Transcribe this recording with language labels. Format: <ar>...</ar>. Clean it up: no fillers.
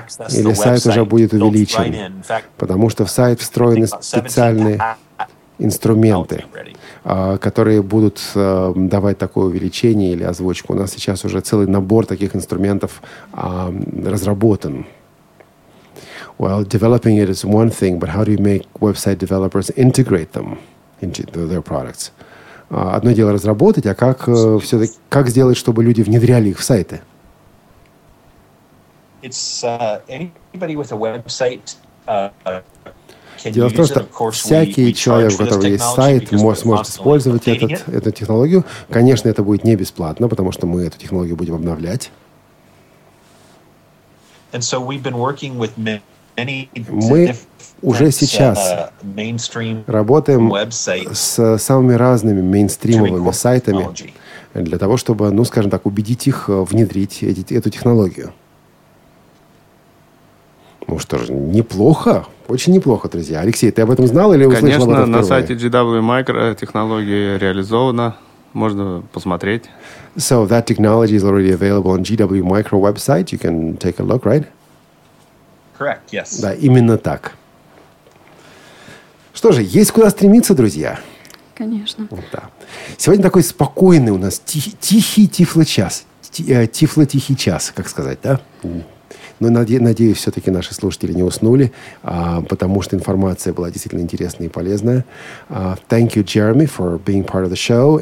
<ru>Или сайт уже будет увеличен. Потому что в сайт встроены специальные инструменты, которые будут давать такое увеличение или озвучку. У нас сейчас уже целый набор таких инструментов разработан.</ru> <en>Well, developing it is one thing, but how do you make website developers integrate them into their products?</en> <ru>Одно дело разработать, а как все-таки как сделать, чтобы люди внедряли их в сайты?</ru> <en>It's anybody with a website.</en> <ru>Дело в том, что всякий человек, у которого есть сайт, сможет использовать эту технологию. Конечно, это будет не бесплатно, потому что мы эту технологию будем обновлять. Мы уже сейчас работаем с самыми разными мейнстримовыми сайтами для того, чтобы, убедить их внедрить эту технологию. Ну что ж, неплохо. Очень неплохо, друзья. Алексей, ты об этом знал или услышал? Конечно, об этом на сайте GW Micro технология реализована. Можно посмотреть.</ru> <en>So that technology is already available on GW Micro website. You can take a look, right? Correct, yes.</en> <ru>Да, именно так. Что же, есть куда стремиться, друзья? Конечно. Вот, да. Сегодня такой спокойный у нас тихий тифлочас. Тифло-тихий час, как сказать, да? Но надеюсь, все-таки наши слушатели не уснули, потому что информация была действительно интересная и полезная.</ru> <en>Thank you, Jeremy, for being part of the show.</en>